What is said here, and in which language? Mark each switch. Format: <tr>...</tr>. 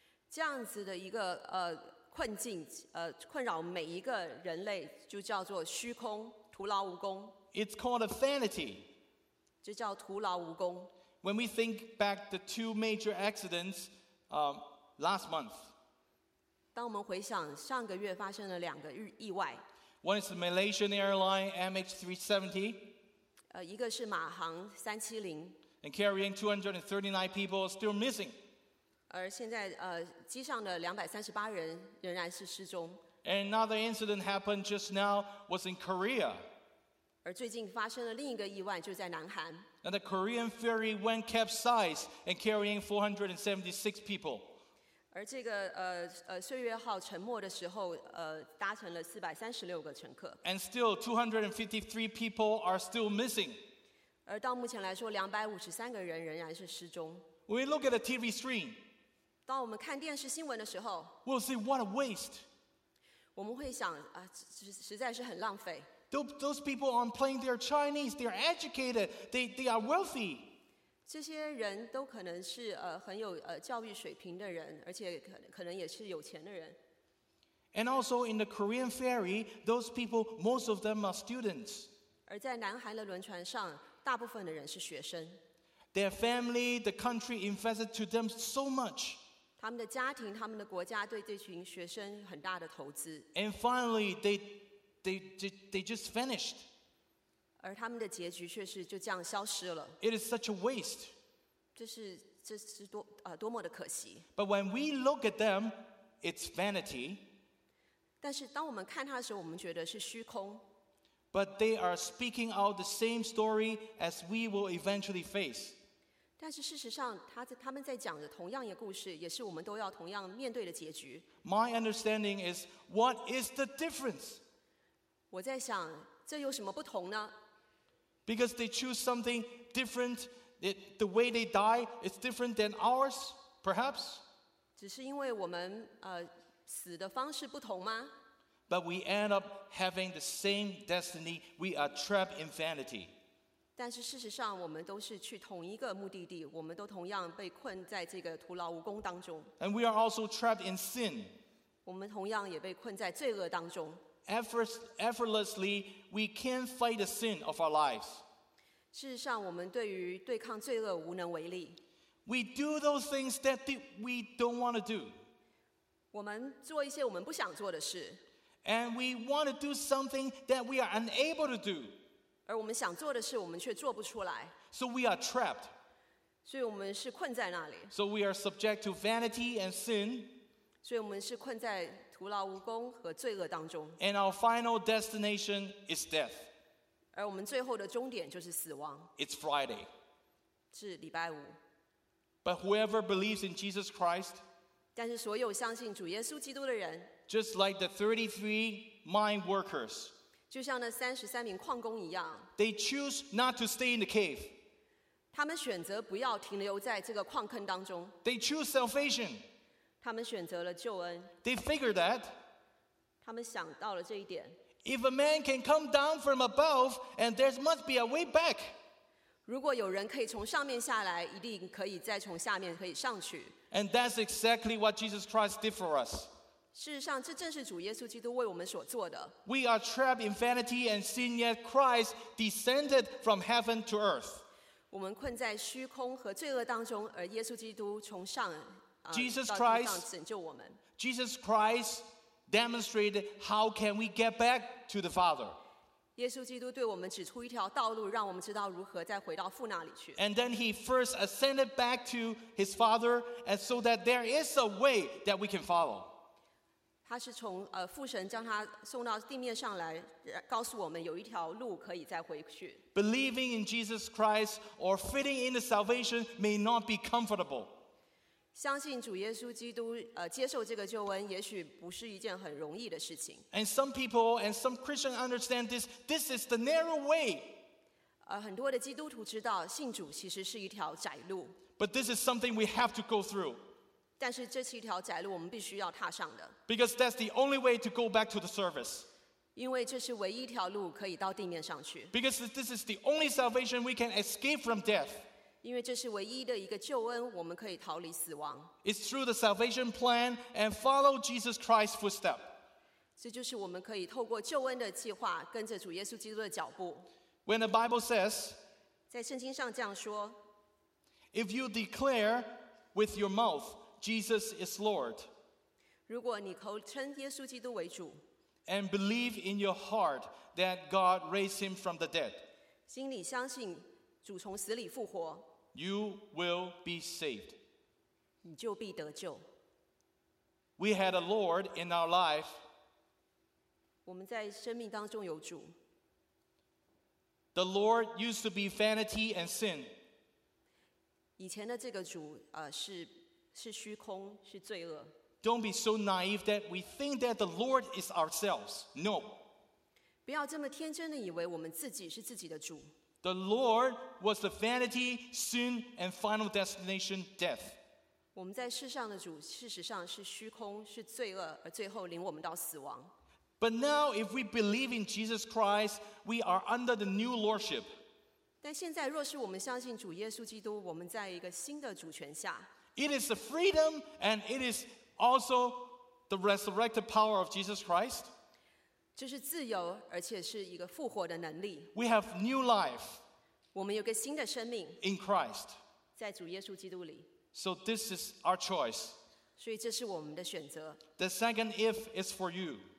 <zh>这样子的一个困境困扰每一个人类就叫做虚空徒劳无功。</zh> <en>It's called a vanity.</en> <zh>就叫徒劳无功。</zh> <en>When we think back the two major accidents last month.</en> <zh>当我们回想上个月发生了两个意外。</zh> <en>One is the Malaysian airline MH370.</en> <zh>一个是马航370。</zh> <en>And carrying 239 people still missing.</en> <zh>而现在机上的238人仍然是失踪。</zh> <en>Another incident happened just now was in Korea.</en> <zh>而最近发生了另一个意外就在南韩。</zh> <en>And the Korean ferry went capsized and carrying 476 people.</en> <zh>而这个岁月号沉没的时候搭乘了436个乘客。</zh> <en>And still 253 people are still missing.</en> <zh>而到目前来说253个人仍然是失踪。</zh> <en>When we look at a TV screen,</en> <zh>当我们看电视新闻的时候</zh> <en>we'll say what a waste.</en> <zh>我们会想实在是很浪费。</zh> <en>Those people on plane, they're Chinese, they're educated, they are wealthy.</en> <zh>这些人都可能是很有教育水平的人，而且可能也是有钱的人。</zh> <en>And also in the Korean ferry, those people, most of them are students.</en> <zh>而在南韩的轮船上，大部分的人是学生。</zh> <en>Their family, the country invested to them so much.</en> <zh>他们的家庭，他们的国家对这群学生很大的投资。</zh> <en>And finally, they just finished.</en> <zh>而他们的结局却是就这样消失了。</zh> <en>It is such a waste.</en> <zh>这是多么的可惜。</zh> <en>But when we look at them, it's vanity.</en> <zh>但是当我们看他的时候，我们觉得是虚空。</zh> <en>But they are speaking out the same story as we will eventually face.</en> <zh>但是事实上，他们在讲的同样一个故事，也是我们都要同样面对的结局。</zh> <en>My understanding is, what is the difference?</en> <zh>我在想，这有什么不同呢？</zh> <en>Because they choose something different, the way they die is different than ours, perhaps?</en> <zh>只是因为我们死的方式不同吗？</zh> <en>But we end up having the same destiny. We are trapped in vanity.</en> <zh>但是事实上，我们都是去同一个目的地，我们都同样被困在这个徒劳无功当中。</zh> <en>And we are also trapped in sin.</en> <zh>我们同样也被困在罪恶当中。</zh> <en>Effortlessly, we can't fight the sin of our lives.</en> <zh>事实上，我们对于对抗罪恶无能为力。</zh> <en>We do those things that we don't want to do.</en> <zh>我们做一些我们不想做的事。</zh> <en>And we want to do something that we are unable to do.</en> <zh>而我们想做的事，我们却做不出来。</zh> <en>So we are trapped.</en> <zh>所以我们是困在那里。</zh> <en>So we are subject to vanity and sin.</en> <zh>所以我们是困在徒劳无功和罪恶当中。</zh> <en>And our final destination is death.</en> <zh>而我们最后的终点就是死亡。</zh> <en>It's Friday.</en> <zh>是礼拜五。</zh> <en>But whoever believes in Jesus Christ.</en> <zh>但是所有相信主耶稣基督的人。</zh> <en>Just like the 33 mine workers,</en> <zh>就像那33名矿工一样</zh> <en>they choose not to stay in the cave.</en> <zh>他们选择不要停留在这个矿坑当中</zh> <en>They choose salvation.</en> <zh>他们选择了救恩</zh> <en>They figure that.</en> <zh>他们想到了这一点</zh> <en>If a man can come down from above, and there must be a way back.</en> <zh>如果有人可以从上面下来，一定可以再从下面可以上去</zh> <en>And that's exactly what Jesus Christ did for us.</en> <zh>事实上，这正是主耶稣基督为我们所做的。</zh> <en>We are trapped in vanity and sin, yet Christ descended from heaven to earth.</en> <zh>我们困在虚空和罪恶当中，而耶稣基督从上到地上拯救我们。</zh> <en>Jesus Christ demonstrated how can we get back to the Father.</en> <zh>耶稣基督对我们指出一条道路，让我们知道如何再回到父那里去。</zh> <en>And then he first ascended back to his Father, and so that there is a way that we can follow.</en> <zh>他是从父神将他送到地面上来，告诉我们有一条路可以再回去。</zh> <en>Believing in Jesus Christ or fitting in the salvation may not be comfortable.</en> <zh>相信主耶稣基督，接受这个救恩，也许不是一件很容易的事情。</zh> <en>And some people and some Christians understand this. This is the narrow way.</en> <zh>很多的基督徒知道信主其实是一条窄路。</zh> <en>But this is something we have to go through.</en> <zh>但是这是一条窄路，我们必须要踏上的。</zh> <en>Because that's the only way to go back to the service.</en> <zh>因为这是唯一一条路可以到地面上去。</zh> <en>Because this is the only salvation we can escape from death.</en> <zh>因为这是唯一的一个救恩，我们可以逃离死亡。</zh> <en>It's through the salvation plan and follow Jesus Christ's footstep.</en> <zh>这就是我们可以透过救恩的计划，跟着主耶稣基督的脚步。</zh> <en>When the Bible says,</en> <zh>在圣经上这样说，</zh> <en>If you declare with your mouth Jesus is Lord,</en> <zh>如果你口称耶稣基督为主，</zh> <en>and believe in your heart that God raised him from the dead,</en> <zh>心里相信。主从死里复活，</zh> <en>you will be saved.</en> <zh>你就必得救。</zh> <en>We had a Lord in our life.</en> <zh>我们在生命当中有主。</zh> <en>The Lord used to be vanity and sin.</en> <zh>以前的这个主，是虚空，是罪恶。</zh> <en>Don't be so naive that we think that the Lord is ourselves. No.</en> <zh>不要这么天真的以为我们自己是自己的主。</zh> <en>The Lord was the vanity, sin, and final destination, death.</en> <zh>我们在世上的主事实上是虚空，是罪恶，而最后领我们到死亡。</zh> <en>But now, if we believe in Jesus Christ, we are under the new lordship.</en> <zh>但现在若是我们相信主耶稣基督，我们在一个新的主权下。</zh> <en>It is the freedom, and it is also the resurrected power of Jesus Christ.</en> <zh>这是自由，而且是一个复活的能力。</zh> <en>We have new life.</en> <zh>我们有个新的生命。</zh> <en>In Christ.</en> <zh>在主耶稣基督里。</zh> <en>So this is our choice.</en> <zh>所以这是我们的选择。</zh> <en>The second if is for you.</en>